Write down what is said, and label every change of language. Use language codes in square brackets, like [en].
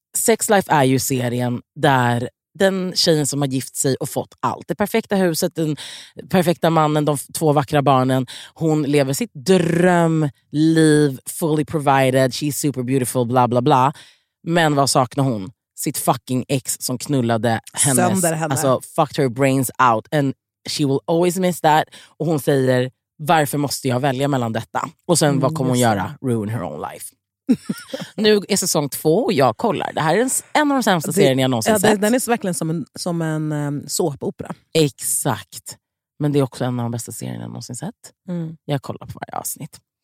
[sv] Sex Life är ju serien där den tjejen som har gift sig och fått allt, det perfekta huset, den perfekta mannen, de två vackra barnen, hon lever sitt drömliv, [en] fully provided, she's super beautiful, bla bla [sv] bla. Men vad saknar hon? Sitt fucking ex som knullade hennes, sönder henne. Alltså [en] fucked her brains out, and she will always miss that. [sv] Och hon säger, varför måste jag välja mellan detta? Och sen vad kommer hon göra? [en] Ruin her own life. [sv] Nu är säsong 2 och jag kollar. Det här är en av de sämsta serierna jag någonsin sett. Den är verkligen som en såpopera. Exakt. Men det är också en av de bästa serierna jag någonsin sett. Jag kollar på varje avsnitt.